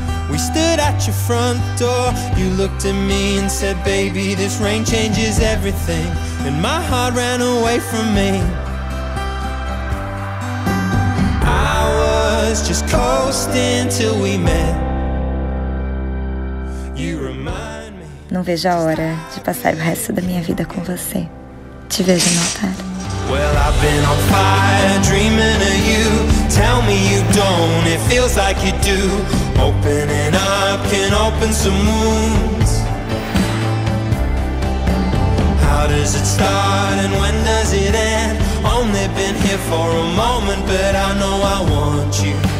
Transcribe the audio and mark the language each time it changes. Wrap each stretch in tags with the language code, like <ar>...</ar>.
<en>We stood at your front door. You looked at me and said, baby, this rain changes everything. And my heart ran away from me. I was just coasting till we met. You remind me.</en> <pt>Não vejo a hora de passar o resto da minha vida com você. Te vejo no altar.</pt> <en>Well, I've been on fire dreaming of you. Tell me you don't, it feels like you do. Opening up can open some wounds. How does it start and when does it end? Only been here for a moment, but I know I want you.</en>